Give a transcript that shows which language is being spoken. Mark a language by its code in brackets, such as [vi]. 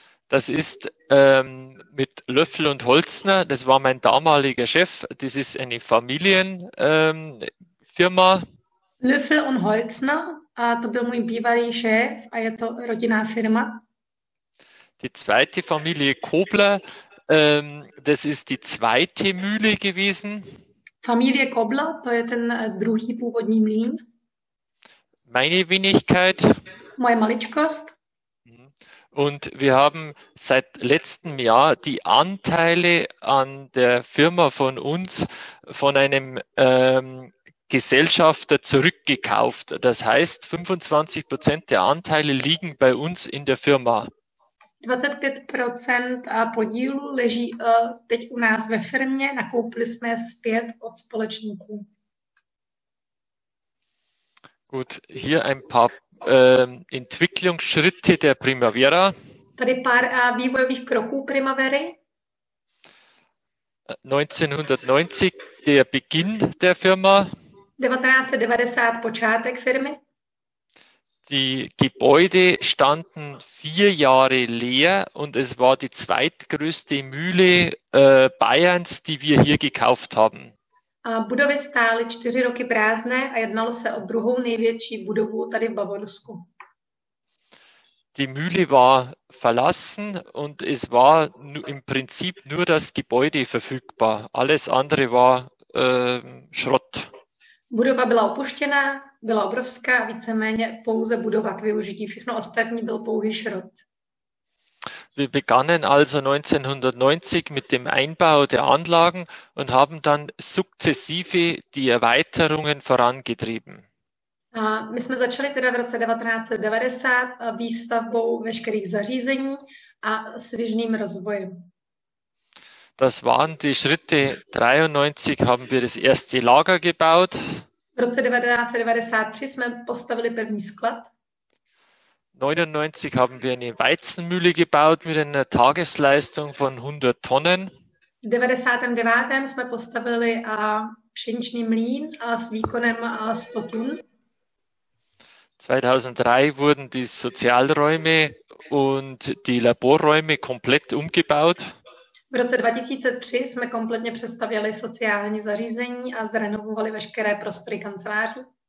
[de] Das ist mit Löffel und Holzner, das war mein damaliger Chef, das ist eine Familienfirma. [cs] Löffel und Holzner, to byl můj bývalý šéf a je to rodinná firma. [de] Die zweite Familie Kobler, das ist die zweite Mühle gewesen. [cs] Familie Kobler, to je ten druhý původní mlín. [de] Meine Wenigkeit. [cs] Moje maličkost. [de] Und wir haben seit letztem Jahr die Anteile an der Firma von uns von einem Gesellschafter zurückgekauft. Das heißt, 25% der Anteile liegen bei uns in der Firma. [cs] 25% podílu leží teď u nás ve firmě. Nakoupili jsme zpět od společníků. [de] Gut, hier ein paar Entwicklungsschritte der Primavera. [cs] Tady pár vývojových kroků Primavery. [de] 1990, der Beginn der Firma. [cs] 1990, počátek firmy. [de] Die Gebäude standen 4 Jahre leer und es war die zweitgrößte Mühle Bayerns, die wir hier gekauft haben. [cs] A budovy stály 4 roky prázdné a jednalo se o druhou největší budovu tady v Bavorsku. [de] Die Mühle war verlassen und es war im Prinzip nur das Gebäude verfügbar. Alles andere war Schrott. [cs] Budova byla opuštěná, byla obrovská, víceméně pouze budova k využití. Všechno ostatní byl pouhý šrot. [de] Wir begannen also 1990 mit dem Einbau der Anlagen und haben dann sukzessive die Erweiterungen vorangetrieben. [cs] My jsme začali teda v roce 1990 výstavbou veškerých zařízení a svižným rozvojem. [de] Das waren die Schritte. 1993 haben wir das erste Lager gebaut. [cs] V roce 1993 jsme postavili první sklad. [de] 99 haben wir eine Weizenmühle gebaut mit einer Tagesleistung von 100 Tonnen. [cs] V 99. jsme postavili pšeničný mlýn s výkonem 100 tun. [de] 2003 wurden die Sozialräume und die Laborräume komplett umgebaut. [cs] V roce 2003 jsme kompletně přestavěli sociální zařízení a zrenovovali veškeré prostory kanceláří.